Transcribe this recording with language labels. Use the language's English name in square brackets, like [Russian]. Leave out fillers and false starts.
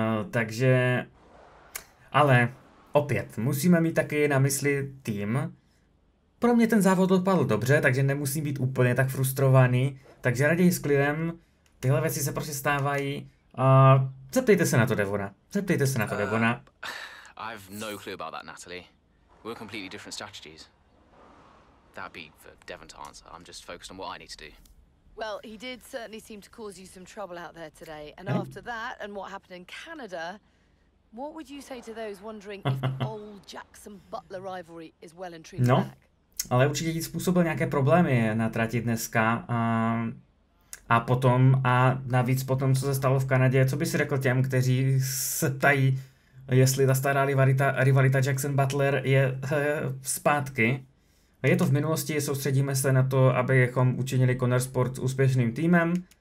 [Czech] Takže... Ale opět, musíme mít taky na mysli tým. Pro mě ten závod dopadl dobře, takže nemusím být úplně tak frustrovaný. Takže raději s klidem, tyhle věci se prostě stávají. Zeptejte se na to Devona. Zeptejte se na to Devona. [English] I've no clue about that, Natalie. We're completely different strategies. That'd be for Devon to answer. I'm just focused on what I need to do. Well, he did certainly seem to cause you some trouble out there today. And after that and what happened in Canada, what would you say to those wondering if the old Jackson Butler rivalry is well and truly back? [Czech] Ale určitě jí způsobil nějaké problémy na trati dneska a potom a navíc potom, co se stalo v Kanadě, co by si řekl těm, kteří se ptají, jestli ta stará rivalita Jackson Butler je zpátky. Je to v minulosti, soustředíme se na to, abychom učinili Connor Sport úspěšným týmem.